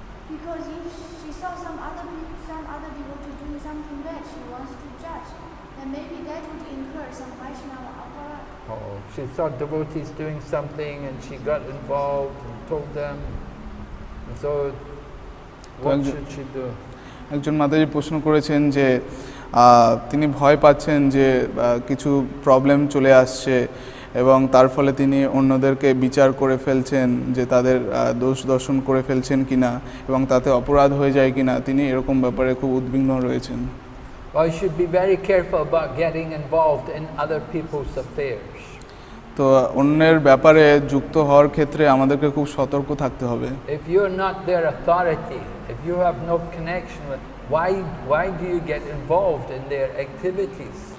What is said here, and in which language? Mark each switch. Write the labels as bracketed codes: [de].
[en] Because if she saw some other devotee doing something bad, she wants to judge. Then maybe that would incur some Vaishnava aparadha. Oh, she saw devotees doing something and she got involved and told them. And so what should she do? [bn] একজন মাতাজি প্রশ্ন করেছেন যে তিনি ভয় পাচ্ছেন যে কিছু problem চলে আসছে এবং তার ফলে তিনি অন্যদেরকে বিচার করে ফেলছেন যে তাদের দোষ দর্শন করে ফেলছেন কি না এবং তাতে অপরাধ হয়ে যায় কি না তিনি এরকম ব্যাপারে খুব উদ্বিগ্ন রয়েছেন [en] I should be very careful about getting involved in other people's affairs [bn] তো অন্যের ব্যাপারে যুক্ত হওয়ার ক্ষেত্রে আমাদেরকে খুব সতর্ক থাকতে হবে [en] If you are not their authority if you have no connection with why do you get involved in their activities